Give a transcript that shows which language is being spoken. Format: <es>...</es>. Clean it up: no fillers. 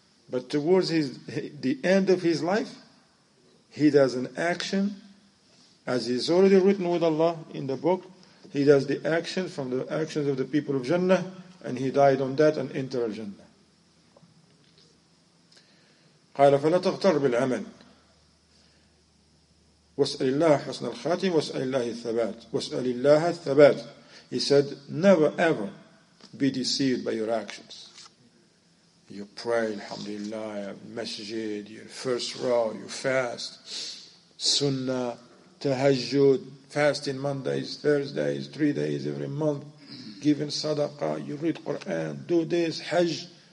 <en>But towards the end of his life, he does an action, as is already written with Allah in the book, he does the action from the actions of the people of Jannah, and he died on that and entered Jannah.</en> <ar>قال فلا تغتر بالعمل واسأل الله حسن الخاتم واسأل الله الثبات واسأل الله الثبات.</ar> <en>He said, never ever be deceived by your actions. You pray, alhamdulillah, masjid, your first row, you fast, sunnah, tahajjud, fasting Mondays, Thursdays, 3 days every month, giving sadaqah, you read Quran, do this, hajj.</en>